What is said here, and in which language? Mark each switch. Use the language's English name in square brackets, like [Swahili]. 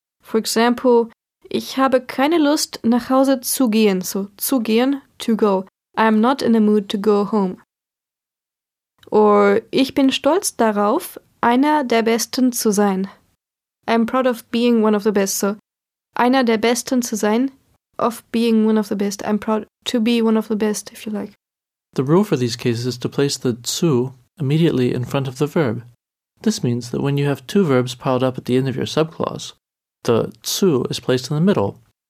[English] For example, [German] ich habe keine Lust nach Hause zu gehen. [English] So, [German] zu gehen, [English] to go. I am not in the mood to go home. [German] Or, ich bin stolz darauf, einer der Besten zu sein. [English] I am proud of being one of the best. So, [German] einer der Besten zu sein, [English] of being one of the best. I'm proud to be one of the best, if you like. The rule for these cases is to place the zu immediately in front of the verb. This means that when you have two verbs piled up at the end of your subclause, the zu is placed in the middle.